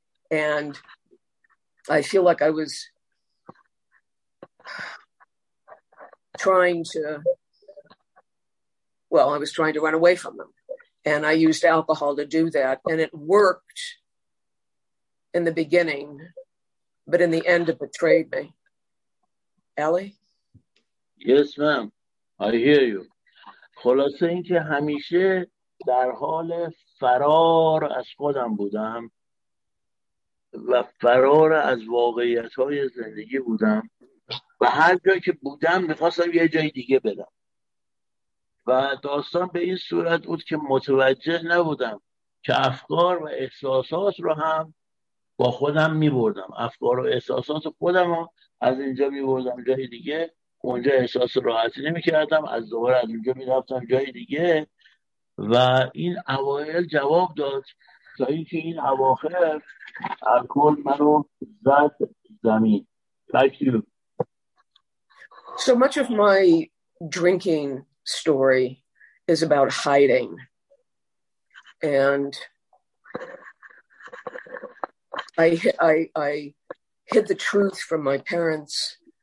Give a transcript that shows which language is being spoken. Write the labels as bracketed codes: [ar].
[en] And I feel like I was trying to run away from them. And I used alcohol to do that. And it worked in the beginning, but in the end, it betrayed me. Ellie? Yes, ma'am. I hear you. [fa] خلاصه این که همیشه در حال فرار از خودم بودم و فرار از واقعیت‌های زندگی بودم و هر جا که بودم می‌خواستم یه جای دیگه برم و داستان به این صورت بود که متوجه نبودم که افکار و احساسات رو هم با خودم می‌بردم، افکار و احساسات خودم رو از اینجا می‌بردم جای دیگه، اونجا احساس راحتی نمی کردم، از دوباره از اونجا می رفتم جای دیگه و این اوائل جواب داد تا اینکه این اواخر الکل منو زد زمین. [en] Thank you. So much of my drinking story is about hiding and I hid the truth from my parents.